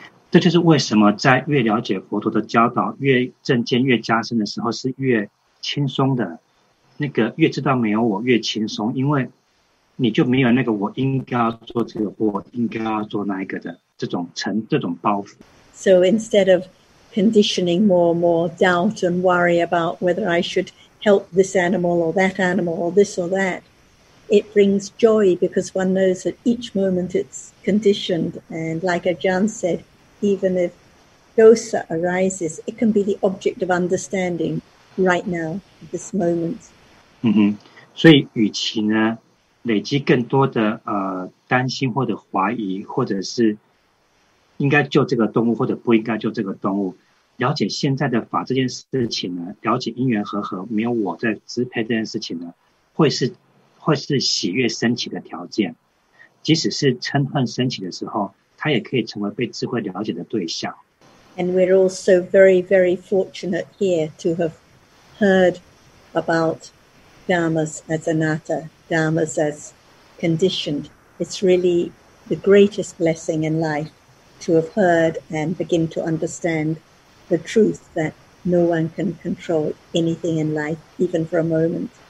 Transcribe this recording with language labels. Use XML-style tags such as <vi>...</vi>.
<zh>这就是为什么在越了解佛陀的教导越正见越加深的时候是越轻松的那个越知道没有我越轻松因为你就没有那个我应该要做这个我应该要做那一个的这种包袱</zh> <en>So instead of conditioning more and more doubt and worry about whether I should help this animal or that animal or this or thatIt brings joy because one knows that each moment it's conditioned. And like Ajahn said, even if dosa arises, it can be the object of understanding. right now, this moment.</en> <zh>嗯哼，所以与其呢累积更多的担心或者怀疑，或者是应该救这个动物或者不应该救这个动物，了解现在的法这件事情呢，了解因缘和合，没有我在支配这件事情呢，会是喜悦升起的条件。即使是嗔恨升起的时候，它也可以成为被智慧了解的对象。</zh> <en>And we're also very, very fortunate here to have heard about dharmas as anatta, dharmas as conditioned. It's really the greatest blessing in life to have heard and begin to understand the truth that no one can control anything in life, even for a moment.</en>